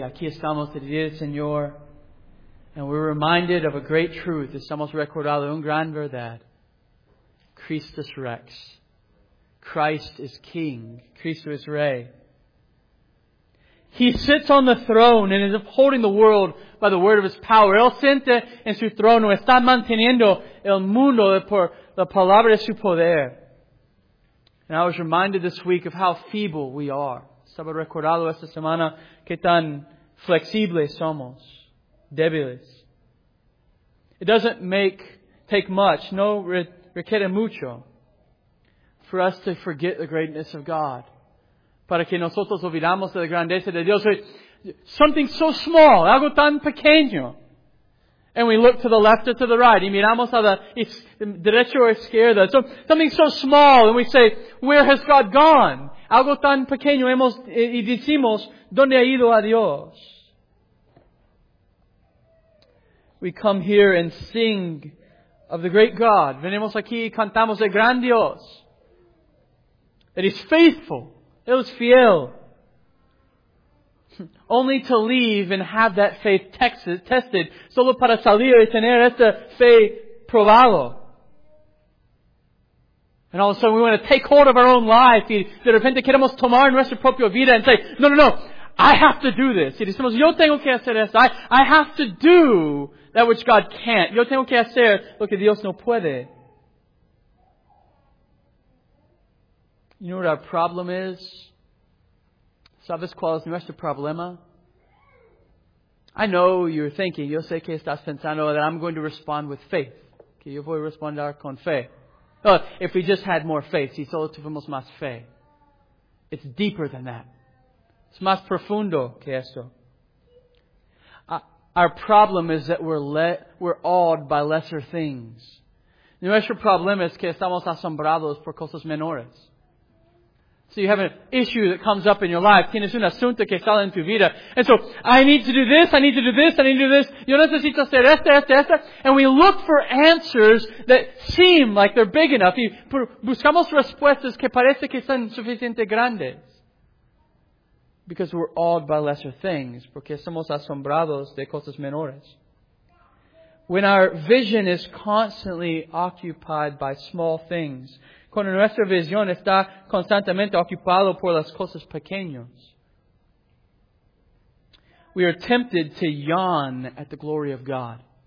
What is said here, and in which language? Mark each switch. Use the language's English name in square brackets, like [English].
[Spanish] Aquí estamos el día del Señor. [English] And we're reminded of a great truth. [Spanish] Estamos recordando un gran verdad. [Latin] Christus Rex. [English] Christ is King. [Spanish] Cristo es Rey. [English] He sits on the throne and is upholding the world by the word of His power. [Spanish] Él siente en su trono. Está manteniendo el mundo por la palabra de su poder. [English] And I was reminded this week of how feeble we are. [Spanish] Estaba recordado esta semana qué tan flexibles somos, débiles. [English] It doesn't take much, [Spanish] no requiere mucho, [English] for us to forget the greatness of God. [Spanish] Para que nosotros olvidamos de la grandeza de Dios. [English] Something so small, [Spanish] algo tan pequeño. [English] And we look to the left or to the right. [Spanish] Y miramos a la derecha o izquierda. [English] So, something so small, and we say, where has God gone? [Spanish] Algo tan pequeño hemos y decimos, ¿dónde ha ido a Dios? [English] We come here and sing of the great God. [Spanish] Venimos aquí y cantamos el gran Dios. [English] It is faithful. [Spanish] Él es fiel. [English] Only to leave and have that faith tested. [Spanish] Solo para salir y tener esta fe probado. [English] And all of a sudden we want to take hold of our own life. [Spanish] Y de repente queremos tomar nuestra propia vida [English] and say, no, I have to do this. [Spanish] Y decimos, yo tengo que hacer esto. [English] I have to do that which God can't. [Spanish] Yo tengo que hacer lo que Dios no puede. [English] You know what our problem is? [Spanish] ¿Sabes cuál es nuestro problema? [English] I know you're thinking, [Spanish] yo sé que estás pensando [English] that I'm going to respond with faith. [Spanish] Que yo voy a responder con fe. [English] If we just had more faith, [Spanish] si solo tuvimos más fe. [English] It's deeper than that. [Spanish] It's más profundo que esto. [English] Our problem is that we're awed by lesser things. [Spanish] Nuestro problema es que estamos asombrados por cosas menores. [English] So you have an issue that comes up in your life. [Spanish] Tienes un asunto que sale en tu vida. [English] And so, I need to do this. [Spanish] Yo necesito hacer esto. [English] And we look for answers that seem like they're big enough. [Spanish] Y buscamos respuestas que parece que son suficiente grandes. [English] Because we're awed by lesser things. [Spanish] Porque somos asombrados de cosas menores. [English] When our vision is constantly occupied by small things, [Spanish] cuando nuestra visión está constantemente ocupada por las cosas pequeñas, [English] we are tempted to yawn at the glory of God.